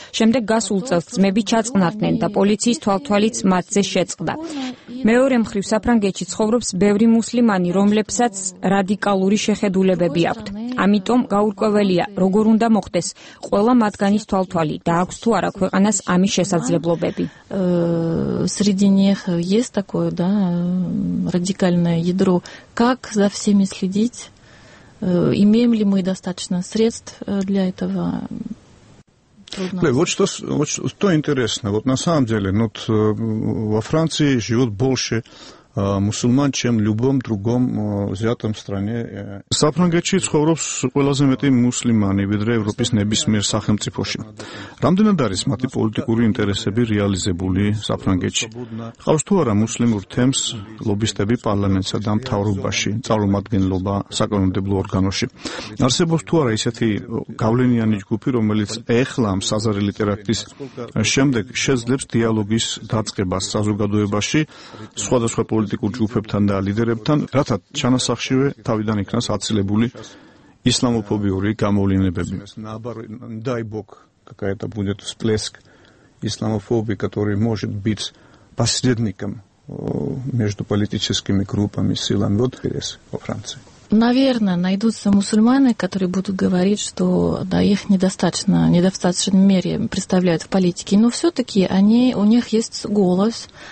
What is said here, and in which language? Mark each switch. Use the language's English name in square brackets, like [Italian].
[Georgian] შემდეგ გასულ წელს ძმები ჩაწყნარდნენ და პოლიციის თვალთვალიც მათზე შეწყდა. მეორე მხრივ, საფრანგეთში ცხოვრობს ბევრი მუსლიმანი, რომლებსაც რადიკალური შეხედულებები აქვთ. ამიტომ გაურკვეველია, როგორ უნდა მოხდეს ყველა მათგანის თვალთვალი და აქვს თუ არა ქვეყანას ამის შესაძლებლობები. [Russian] Среди них есть такое, да, радикальное ядро. Как за всеми следить? Имеем ли мы достаточно средств для этого? Да, вот что интересно. Вот на самом деле, вот во Франции живут больше мусульман, чем в любом другом взятом стране. [Georgian] Сафрангетши цхоуропс ყველაზე მეტი მუსლიმანი ვიდრე ევროპის ნებისმიერ სახელმწიფოში. Რამდენად არის მათი პოლიტიკური ინტერესები რეალიზებული საფრანგეთში? ყავს თუ არა მუსლიმურ თემს ლობისტები პარლამენტსა და მთავრობაში, წარმომადგენლობა საკანონმდებლო ორგანოში? არსებობს თუ არა ისეთი გავლენიანი ჯგუფი, რომელიც ეხლა მსაზარელი ტერაქტის შემდეგ შეძლებს დიალოგის დაწყებას საზოგადოებაში სხვადასხვა პოლიტიკურ ჯგუფებთან და ლიდერებთან, რათა ჩანასახშივე თავიდან იქნას აცილებული ისლამოფობიური გამოვლინებები? [Russian] Дай бог, какая-то будет всплеск исламофобии, который может быть посредником между политическими группами, силами. Вот интерес во Франции. Наверное, найдутся мусульмане, которые будут говорить, что да, их недостаточно, в недостаточной мере представляют в политике, но все-таки они, у них есть голос.